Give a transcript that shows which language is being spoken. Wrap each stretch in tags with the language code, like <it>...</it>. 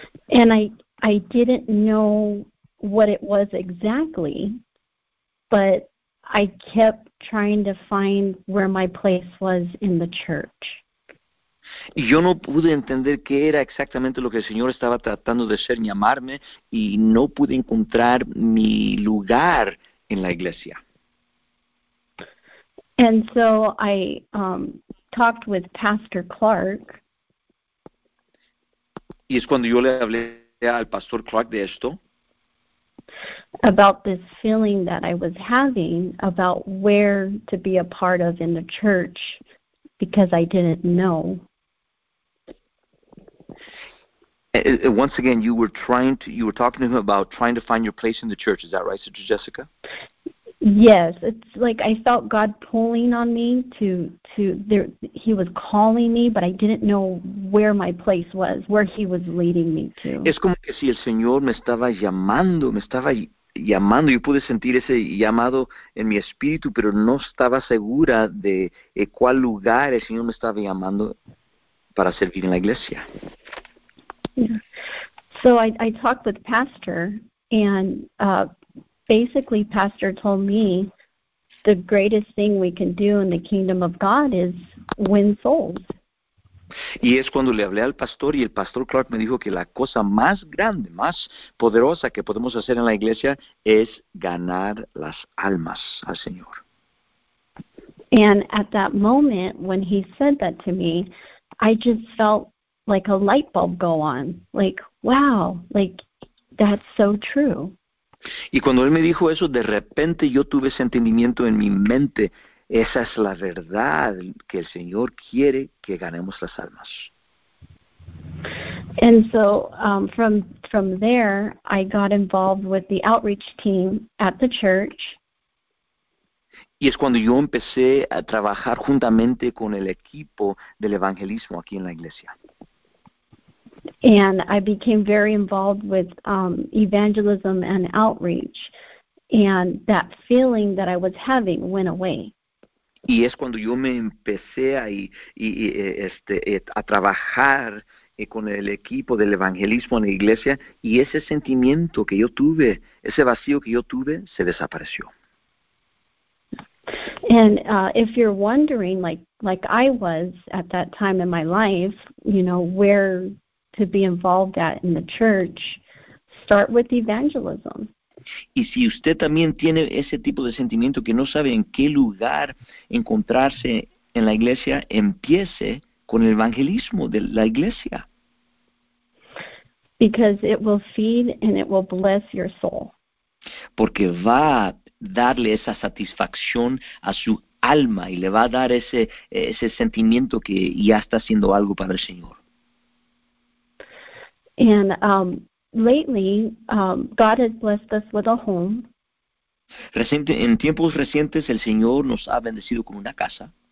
<en>And I didn't know what it was exactly, but I kept trying to find where my place was in the church.</en> <es>Y yo no pude entender qué era exactamente lo que el Señor estaba tratando de hacer, llamarme, y no pude encontrar mi lugar en la iglesia.</es> <en>And so I talked with Pastor Clark.</en> <es>Y es cuando yo le hablé al Pastor Clark de esto.</es> <en>About this feeling that I was having about where to be a part of in the church, because I didn't know. Once again, you were talking to him about trying to find your place in the church. Is that right, Sister Jessica? Yes, it's like I felt God pulling on me to there. He was calling me, but I didn't know where my place was, where He was leading me to.</en> <es>Es como que si el Señor me estaba llamando. Yo pude sentir ese llamado en mi espíritu, pero no estaba segura de cuál lugar el Señor me estaba llamando para servir en la iglesia.</es> <en>Yeah. So I talked with Pastor, and basically Pastor told me the greatest thing we can do in the kingdom of God is win souls.</en> <es>Y es cuando le hablé al pastor, y el pastor Clark me dijo que la cosa más grande, más poderosa que podemos hacer en la iglesia es ganar las almas al Señor.</es> <en>And at that moment, when he said that to me, I just felt like a light bulb go on. Like, wow, like, that's so true.</en> <es>Y cuando él me dijo eso, de repente yo tuve ese entendimiento en mi mente. Esa es la verdad que el Señor quiere que ganemos las almas.</es> <en>And so from there, I got involved with the outreach team at the church.</en> <es>Y es cuando yo empecé a trabajar juntamente con el equipo del evangelismo aquí en la iglesia.</es> <en>And I became very involved with evangelism and outreach. And that feeling that I was having went away.</en> <es>Y es cuando yo me empecé a trabajar con el equipo del evangelismo en la iglesia, y ese sentimiento que yo tuve, ese vacío que yo tuve, se desapareció.</es> <en>And if you're wondering, like I was at that time in my life, you know, where to be involved at in the church, start with evangelism.</en> <es>Y si usted también tiene ese tipo de sentimiento que no sabe en qué lugar encontrarse en la iglesia, empiece con el evangelismo de la iglesia.</es> <en>Because it will feed and it will bless your soul.</en> <es>Porque va a darle esa satisfacción a su alma y le va a dar ese sentimiento que ya está haciendo algo para el Señor.</es> <en>And lately, God has blessed us with a home.</en> <es>En tiempos recientes, el Señor nos ha bendecido con una casa.</es>